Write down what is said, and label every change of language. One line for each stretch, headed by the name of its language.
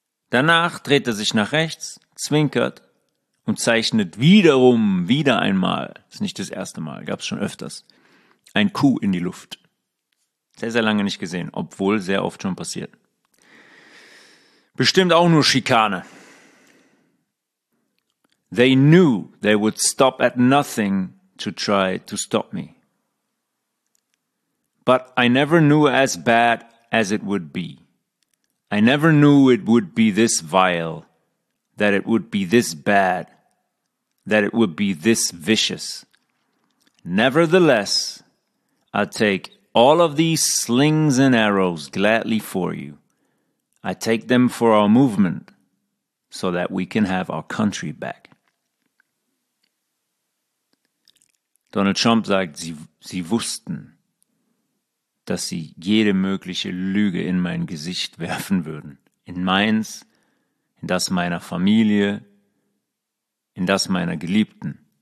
German: Danach dreht er sich nach rechts, zwinkert und zeichnet wieder einmal, ist nicht das erste Mal, gab es schon öfters, ein Q in die Luft. Sehr, sehr lange nicht gesehen, obwohl sehr oft schon passiert. Bestimmt auch nur Schikane.
English: They knew they would stop at nothing to try to stop me. But I never knew as bad as it would be. I never knew it would be this vile, that it would be this bad, that it would be this vicious. Nevertheless, I take all of these slings and arrows gladly for you. I take them for our movement, so that we can have our country back.
German: Donald Trump sagt, sie wussten, dass sie jede mögliche Lüge in mein Gesicht werfen würden. In meins, in das meiner Familie, in das meiner Geliebten.